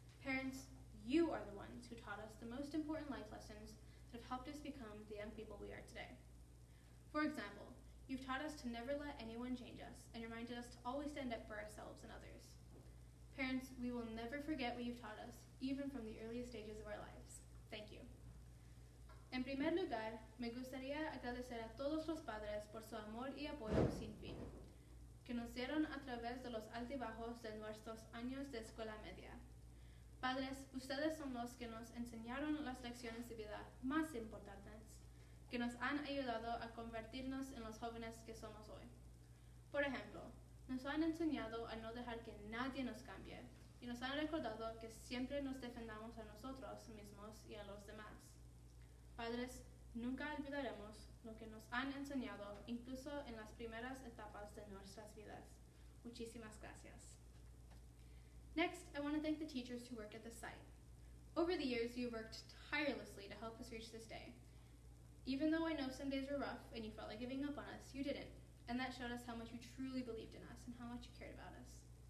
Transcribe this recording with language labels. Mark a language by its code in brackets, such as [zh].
[en] Parents, you are the ones who taught us the most important life lessons that have helped us become the young people we are today. For example, you've taught us to never let anyone change us and reminded us to always stand up for ourselves and others. Parents, we will never forget what you've taught us, even from the earliest stages of our lives. Thank you. [es] En primer lugar, me gustaría agradecer a todos los padres por su amor y apoyo sin fin, que nos dieron a través de los altibajos de nuestros años de escuela media. Padres, ustedes son los que nos enseñaron las lecciones de vida más importantes, que nos han ayudado a convertirnos en los jóvenes que somos hoy. Por ejemplo, nos han enseñado a no dejar que nadie nos cambie y nos han recordado que siempre nos defendamos a nosotros mismos y a los demás. Padres, nunca olvidaremos lo que nos han enseñado incluso en las primeras etapas de nuestras vidas. Muchísimas gracias. [en] Next, I want to thank the teachers who work at the site. Over the years, you've worked tirelessly to help us reach this day. Even though I know some days were rough and you felt like giving up on us, you didn't. And that showed us how much you truly believed in us and how much you cared about us.